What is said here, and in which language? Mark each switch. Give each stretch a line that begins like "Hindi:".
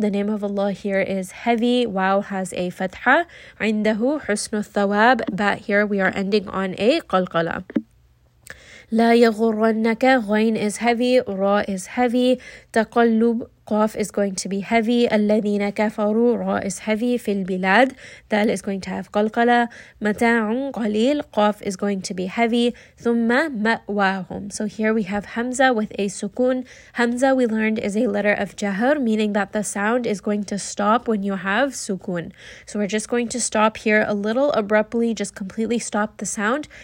English: The name of Allah here is heavy. Wow has a fatha.
Arabic: عِنْدَهُ. حُسْنُ الثَّوَابِ.
English: But here we are ending on a قَلْقَلَ.
Arabic: لَا يَغُرَّنَّكَ.
English: غَيْن is heavy. Ra is heavy.
Arabic: تَقَلُّبْ.
English: الثقاف is going to be heavy.
Arabic: الذين كفروا راء
English: is heavy
Arabic: في البلاد.
English: دال is going to have قلقلة.
Arabic: متاع قليل.
English: قاف is going to be heavy.
Arabic: ثم مأواهم.
English: So here we have همزة with a سكون. همزة we learned is a letter of جهر, meaning that the sound is going to stop when you have سكون. So we're just going to stop here a little abruptly, just completely stop the sound.